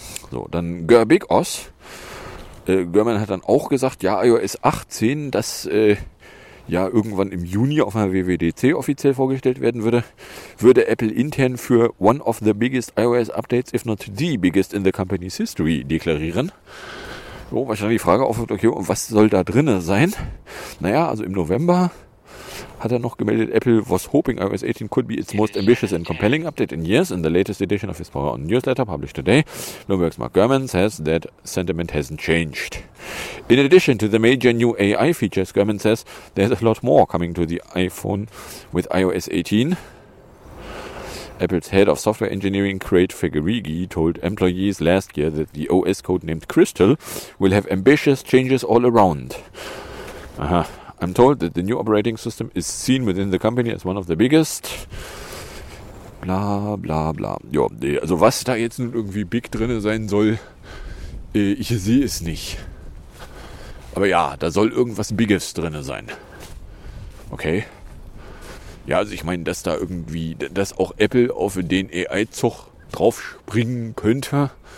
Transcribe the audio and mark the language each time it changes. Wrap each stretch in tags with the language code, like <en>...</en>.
<de>So, dann Big OS. Görman hat dann auch gesagt, ja, iOS 18, das ja irgendwann im Juni auf einer WWDC offiziell vorgestellt werden würde, würde Apple intern für</de> <en>one of the biggest iOS updates, if not the biggest in the company's history,</en> <de>deklarieren. So, wahrscheinlich die Frage aufwirft, okay, und was soll da drin sein? Naja, also im November hat er noch gemeldet,</de> <en>Apple was hoping iOS 18 could be its most ambitious and compelling update in years. In the latest edition of his Power On newsletter published today, Bloomberg's Mark Gurman says that sentiment hasn't changed. In addition to the major new AI features, Gurman says there's a lot more coming to the iPhone with iOS 18. Apple's head of software engineering, Craig Federighi, told employees last year that the OS code named Crystal will have ambitious changes all around.</en> <de>Aha.</de> <en>I'm told that the new operating system is seen within the company as one of the biggest.</en> <de>Bla, bla, bla. Jo, also was da jetzt nun irgendwie big drin sein soll, ich sehe es nicht. Aber ja, da soll irgendwas Biges drin sein. Okay. Ja, also ich meine, dass da irgendwie, dass auch Apple auf den AI-Zug drauf springen könnte.</de>